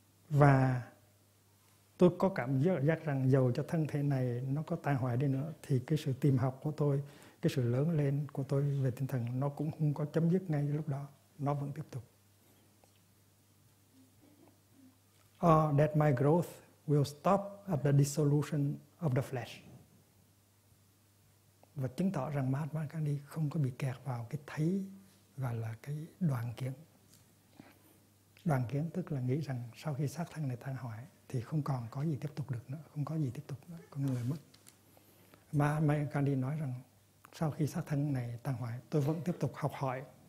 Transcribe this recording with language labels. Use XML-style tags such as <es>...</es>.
<vi>Và tôi có cảm giác rằng dầu cho thân thể này nó có tàn hoại đi nữa, thì cái sự tìm học của tôi, cái sự lớn lên của tôi về tinh thần, nó cũng không có chấm dứt ngay lúc đó. Nó vẫn tiếp tục.</vi> <en>Or that my growth will stop at the dissolution of the flesh.</en> <vi>Và chứng tỏ rằng Mahatma Gandhi không có bị kẹt vào cái thấy, gọi là cái đoạn kiến. Đoàn kiến tức là nghĩ rằng sau khi xác thân này tan hoại thì không còn có gì tiếp tục được nữa, không có gì tiếp tục nữa, con người mất. Mà Mahatma Gandhi nói rằng sau khi xác thân này tan hoại, tôi vẫn tiếp tục học hỏi.</vi>